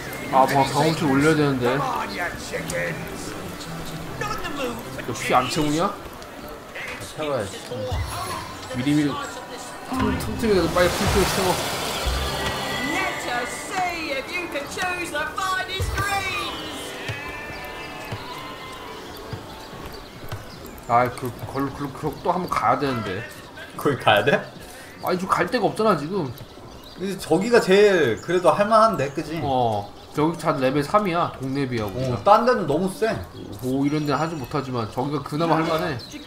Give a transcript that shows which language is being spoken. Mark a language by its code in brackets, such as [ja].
[ko] 아, 뭐 방울치 올려야 되는데. 너 피 안 채우냐? 채워야지. 미리미리 틈틈이 돼서 빨리 풀풀 채워. [en] Let us see if you can choose the finest greens. [ko] 아, 그 걸룩 또 한번 가야 되는데. 거기 가야 돼? 아니, 좀 갈 데가 없잖아 지금. 근데 저기가 제일 그래도 할만한데, 그지? 어. 저기 다 레벨 3이야, 동네 비하고. 어, 딴 데는 너무 쎄. 오, 이런 데는 하지 못하지만, 저기가 그나마 할만해.